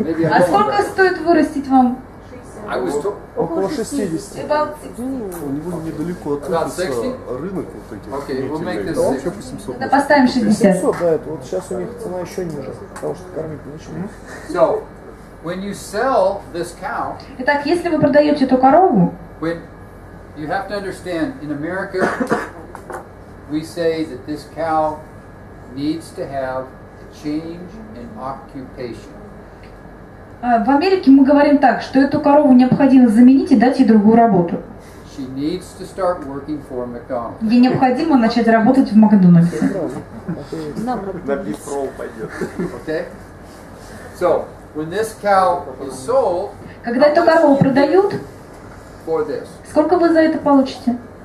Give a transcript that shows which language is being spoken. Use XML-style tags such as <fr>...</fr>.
<ru>А сколько стоит вырастить вам? Около 60. У него недалеко от рынок вот этих нетелей. Да, вообще по 700. Да, поставим 60. 700, да, это вот сейчас у них цена еще ниже, потому что кормить нечем.</ru> <en>So, when you sell this cow,</en> <ru>итак, если вы продаете эту корову,</ru> <en>you have to understand, in America, we say that this cow needs to have a change in occupation.</en> <ru>В Америке мы говорим так, что эту корову необходимо заменить и дать ей другую работу.</ru> <en>She needs to start working for McDonald's.</en> <ru>Ей необходимо начать работать в Макдональдсе. На бифрол пойдет.</ru> <en>Okay? So, when this cow is sold,</en> <ru>когда эту корову продают, сколько вы за это получите?</ru>